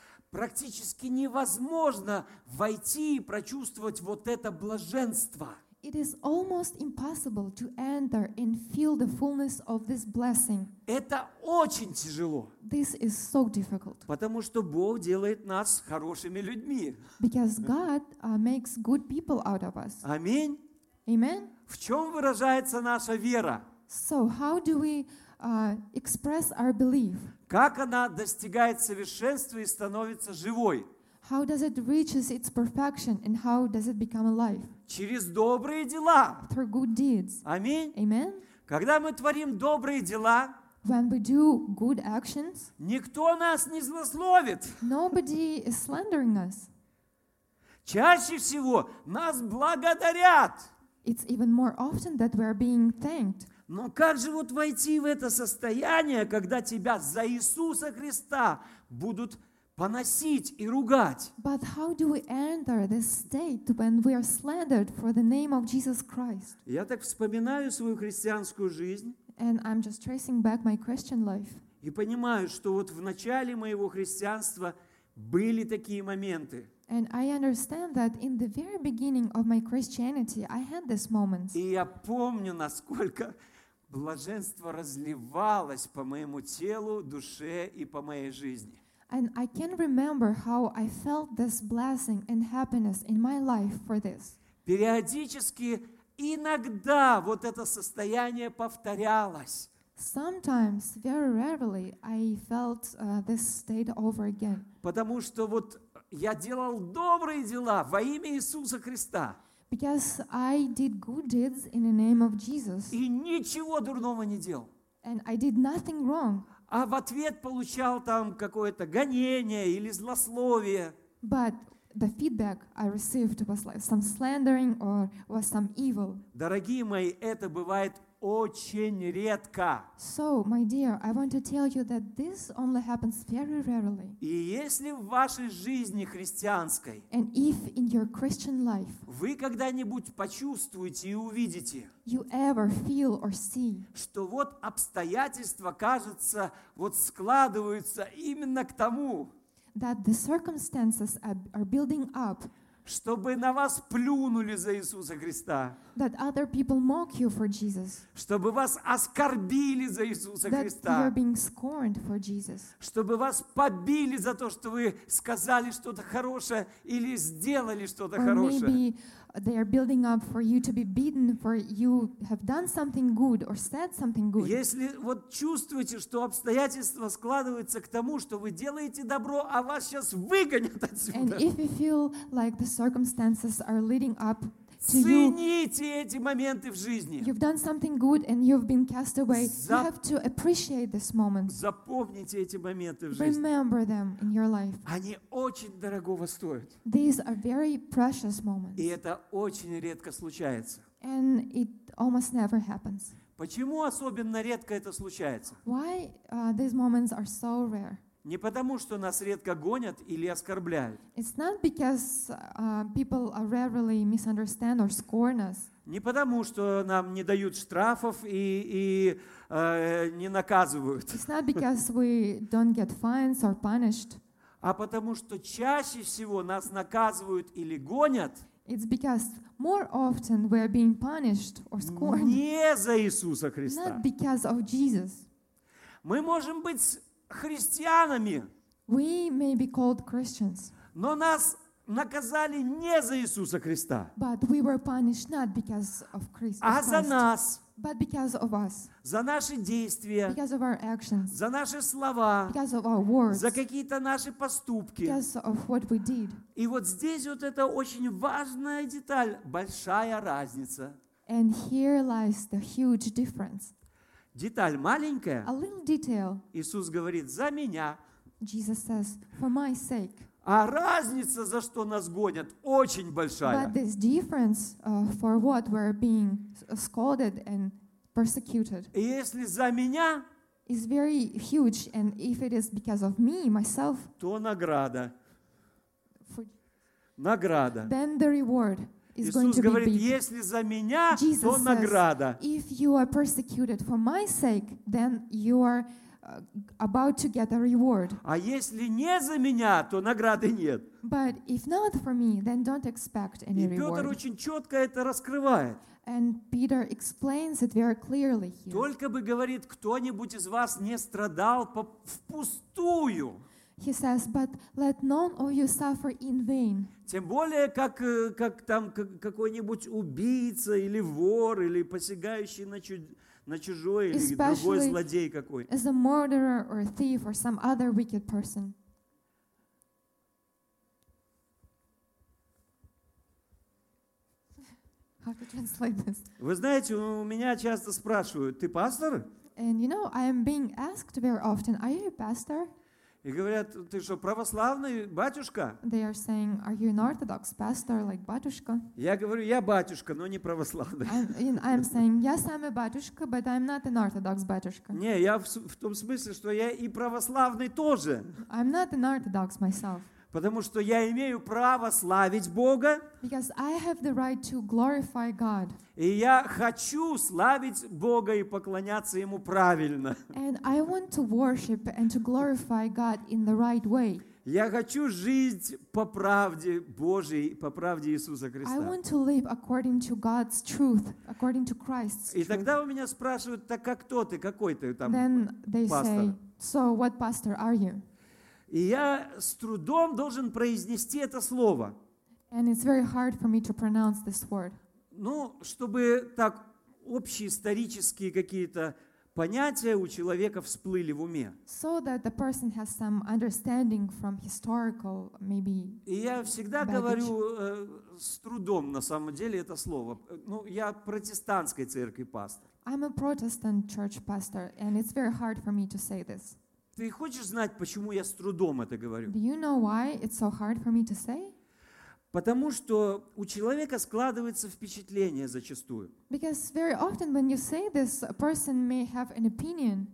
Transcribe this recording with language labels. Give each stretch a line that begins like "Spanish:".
Russian: Практически невозможно войти и прочувствовать вот это блаженство.
English: It is almost impossible to enter and feel the fullness of this blessing.
Russian: Это очень тяжело.
English: This is so difficult.
Russian: Потому что Бог делает нас хорошими людьми.
English: Because God makes good people out of us.
Russian: Аминь.
English: Amen.
Russian: В чем выражается наша вера?
English: So how do we express our belief?
Russian: Как она достигает совершенства и становится живой?
English: How does it reach its perfection and how does it become alive?
Russian: Через добрые дела.
English: Through good deeds.
Russian: Аминь.
English: Amen.
Russian: Когда мы творим добрые дела,
English: when we do good actions,
Russian: никто нас не злословит.
English: Nobody is slandering us.
Russian: Чаще всего нас благодарят.
English: It's even more often that we are being thanked.
Russian: Но как же вот войти в это состояние, когда тебя за Иисуса Христа будут поносить и ругать?
English: But how do we enter this state when we are slandered for the name of Jesus Christ?
Russian: Я так вспоминаю свою христианскую жизнь.
English: And I'm just tracing back my Christian life.
Russian: И понимаю, что вот в начале моего христианства были такие моменты.
English: And I understand that in the very beginning of my Christianity, I had this moment.
Russian: И я помню, насколько блаженство разливалось по моему телу, душе и по моей жизни.
English: And I can remember how I felt this blessing and happiness in my life for this.
Russian: Периодически, иногда вот это состояние повторялось.
English: Sometimes, very rarely, I felt this state over again.
Russian: Потому что вот я делал добрые дела во имя Иисуса Христа.
English: Because I did good deeds in the name of Jesus.
Russian: И ничего дурного не делал.
English: And I did nothing wrong.
Russian: А в ответ получал там какое-то гонение или злословие.
English: But the feedback I received was like some slandering or was some evil.
Russian: Дорогие мои, это бывает очень редко.
English: So, my dear, I want to tell you that this only happens very rarely.
Russian: И если в вашей жизни христианской,
English: and if in your Christian life,
Russian: вы когда-нибудь почувствуете и увидите,
English: you ever feel or see,
Russian: что вот обстоятельства, кажется, вот складываются именно к тому,
English: that the circumstances are building up,
Russian: чтобы на вас плюнули за Иисуса Христа.
English: That other people mock you for Jesus.
Russian: Чтобы вас оскорбили за Иисуса
English: that
Russian: Христа.
English: You are being scorned for Jesus.
Russian: Чтобы вас побили за то, что вы сказали что-то хорошее или сделали что-то
English: or
Russian: хорошее.
English: Maybe they are building up for you to be beaten for you have done something good or said something good.
Russian: Если вот чувствуете, что обстоятельства складываются к тому, что вы делаете добро, а вас сейчас выгонят отсюда.
English: And if you feel like the circumstances are leading up to you,
Russian: цените эти моменты в жизни.
English: You've done something good and you've been cast away. You have to appreciate this moment.
Russian: Запомните эти моменты в жизни.
English: Remember them in your life.
Russian: Они очень дорогого стоят.
English: These are very precious moments.
Russian: И это очень редко случается.
English: And it almost never happens.
Russian: Почему особенно редко это случается?
English: Why these moments are so rare?
Russian: Не потому, что нас редко гонят или оскорбляют.
English: It's not because people rarely misunderstand or scorn us.
Russian: Не потому, что нам не дают штрафов и не наказывают.
English: It's not because we don't get fines or punished.
Russian: А потому, что чаще всего нас наказывают или гонят.
English: It's because more often we are being punished or scorned.
Russian: Не за Иисуса Христа.
English: Not because of Jesus.
Russian: Мы можем быть христианами.
English: We may be called Christians.
Russian: Но нас наказали не за Иисуса Христа,
English: but we were punished not because of Christ,
Russian: а за нас.
English: But because of us,
Russian: за наши действия,
English: because of our actions,
Russian: за наши слова,
English: because of our words,
Russian: за какие-то наши поступки.
English: Because of what we did.
Russian: И вот здесь вот это очень важная деталь, большая разница.
English: And here lies the huge difference.
Russian: Деталь маленькая.
English: A little detail.
Russian: Иисус говорит, за меня.
English: Jesus says, for my sake.
Russian: А разница, за что нас гонят, очень большая.
English: But this difference for what we're being scolded and persecuted.
Russian: Если за меня,
English: is very huge, and if it is because of me, myself,
Russian: то награда. Награда.
English: Then the reward is going to
Russian: говорит,
English: be big.
Russian: Если за меня, Jesus то награда.
English: Says, if you are persecuted for my sake, then you are about to get a reward.
Russian: А если не за меня, то награды нет.
English: But if not for me, then don't expect any reward.
Russian: И Петр очень четко это раскрывает.
English: And Peter explains it very clearly here.
Russian: Только бы, говорит, кто-нибудь из вас не страдал впустую.
English: He says, but let none of you suffer in vain.
Russian: Тем более, как там какой-нибудь убийца или вор или посягающий на чужой или другой злодей какой.
English: As a murderer or a thief or some other wicked person. How to translate this?
Russian: Вы знаете, у меня часто спрашивают, ты пастор?
English: And you know, I am being asked very often, are you a pastor?
Russian: И говорят, ты что, православный батюшка?
English: They are saying, are you an orthodox pastor like батюшка?
Russian: Я говорю, я батюшка, но не православный.
English: I'm saying, yes, I'm a батюшка, but I'm not an orthodox батюшка.
Russian: Не, я в том смысле, что я и православный тоже.
English: I'm not an orthodox myself.
Russian: Потому что я имею право славить Бога.
English: Because I have the right to glorify God.
Russian: И я хочу славить Бога и поклоняться Ему правильно.
English: And I want to worship and to glorify God in the right way.
Russian: Я хочу жить по правде Божьей, по правде Иисуса Христа.
English: I want to live according to God's truth, according to Christ's truth.
Russian: И тогда у меня спрашивают, так как кто ты, какой ты там
English: Then they
Russian: пастор?
English: Say, so what pastor are you?
Russian: И я с трудом должен произнести это слово.
English: And it's very hard for me to pronounce this word.
Russian: Ну, чтобы так общие исторические какие-то понятия у человека всплыли в уме.
English: So that the person has some understanding from historical, maybe.
Russian: И я всегда
English: baggage.
Russian: Говорю с трудом, на самом деле, это слово. Ну, я протестантской церкви пастор.
English: I'm a Protestant church pastor, and it's very hard for me to say this.
Russian: Ты хочешь знать, почему я с трудом это говорю?
English: Do you know why it's so hard for me to say?
Russian: Потому что у человека складывается впечатление зачастую.
English: Because very often when you say this, a person may have an opinion,